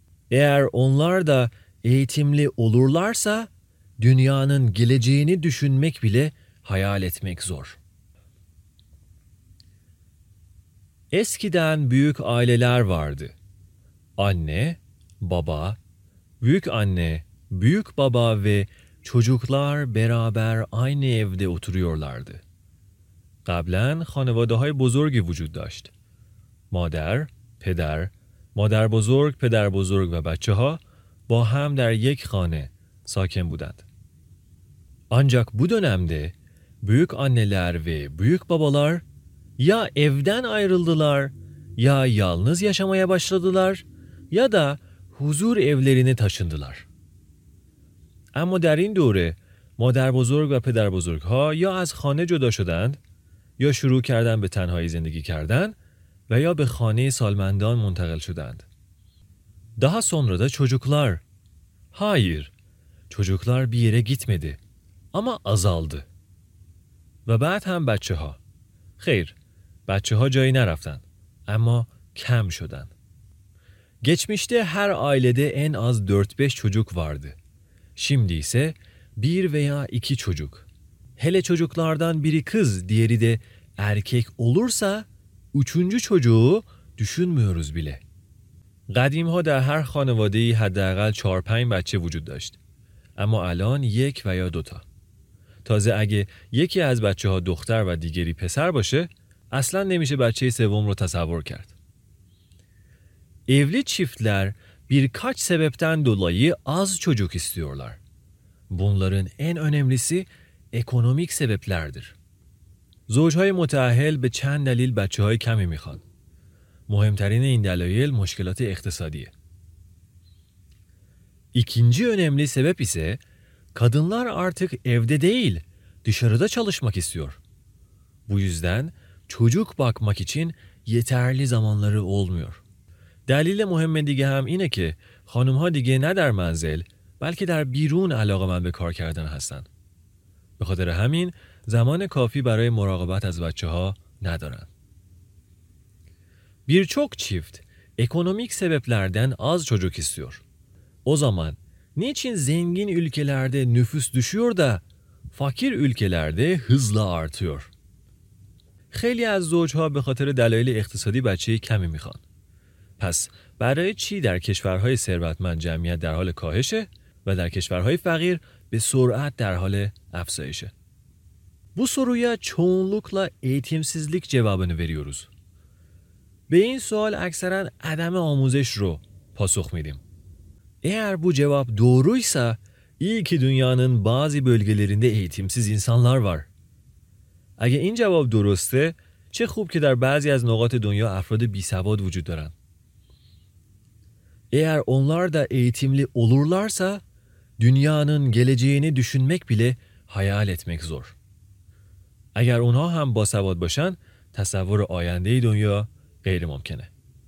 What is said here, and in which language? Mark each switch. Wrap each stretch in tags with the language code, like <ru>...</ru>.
<tr>Eğer onlar da eğitimli olurlarsa, dünyanın geleceğini düşünmek bile hayal etmek zor. Eskiden büyük aileler vardı. Anne, baba, büyük anne, büyük baba ve çocuklar beraber aynı evde oturuyorlardı.</tr> <fa>قبلن خانواده های بزرگی وجود داشت. مادر، پدر، مادر بزرگ، پدر بزرگ و بچه ها با هم در یک خانه ساکن بودند.</fa> <tr>Ancak bu dönemde büyük anneler ve büyük babalar ya evden ayrıldılar, ya yalnız yaşamaya başladılar ya da huzur evlerine taşındılar.</tr> <fa>اما در این دوره مادر بزرگ و پدر بزرگ ها یا از خانه جدا شدند یا شروع کردن به تنهایی زندگی کردن و یا به خانه سالمندان منتقل شدند.</fa> <tr>Daha sonra da çocuklar. Hayır. Çocuklar bir yere gitmedi. Ama azaldı.</tr> <fa>و بعد هم بچه ها. خیر. بچه ها جایی نرفتن. اما کم شدن.</fa> <tr>Geçmişte her ailede en az 4-5 çocuk vardı. Şimdi ise 1 veya 2 çocuk. Hele çocuklardan biri kız, diğeri de erkek olursa, 3. çocuğu düşünmüyoruz bile.</tr> <fa>قدیم ها در هر خانواده ای حداقل 4-5 بچه وجود داشت. اما الان 1</fa> <tr>veya</tr> <fa>2 تا. تازه اگه یکی از بچه ها دختر و دیگری پسر باشه، اصلا نمیشه بچه سوم رو تصور کرد.</fa> <tr>Evli çiftler birkaç sebepten dolayı az çocuk istiyorlar. Bunların en önemlisi ekonomik sebeplerdir.</tr> <fa>Zوجهای متأهل به چند دلیل بچه‌های کمی می‌خوان. مهمترین این دلایل مشکلات اقتصادیه.</fa> <tr>İkinci önemli sebep ise kadınlar artık evde değil, dışarıda çalışmak istiyor. Bu yüzden çocuk bakmak için yeterli zamanları olmuyor.</tr> <fa>دلیل مهم دیگه هم اینه که خانم ها دیگه نه در منزل بلکه در بیرون علاقه مند به کار کردن هستن. به خاطر همین زمان کافی برای مراقبت از بچه ها ندارن.</fa> <tr>Birçok çift ekonomik sebeplerden az çocuk istiyor. O zaman niçin zengin ülkelerde nüfus düşüyor da fakir ülkelerde hızla artıyor?</tr> <fa>خیلی از زوجها به خاطر دلایل اقتصادی بچه‌ای کمی میخوان. پس برای چی در کشورهای ثروتمند جمعیت در حال کاهشه و در کشورهای فقیر به سرعت در حال افزایشه؟</fa> <tr>Bu soruya çoğunlukla eğitimsizlik cevabını veriyoruz.</tr> <fa>به این سوال اکثرا عدم آموزش رو پاسخ میدیم.</fa> <tr>Eğer bu cevap doğruysa, iyi ki dünyanın bazı bölgelerinde eğitimsiz insanlar var.</tr> <fa>اگه این جواب درسته، چه خوب که در بعضی از نقاط دنیا افراد بیسواد وجود دارن.</fa> <tr>Eğer onlar da eğitimli olurlarsa, dünyanın geleceğini düşünmek bile hayal etmek zor.</tr> <fa>اگر اونها هم باسواد باشن، تصور آینده دنیا غیر ممکنه.</fa>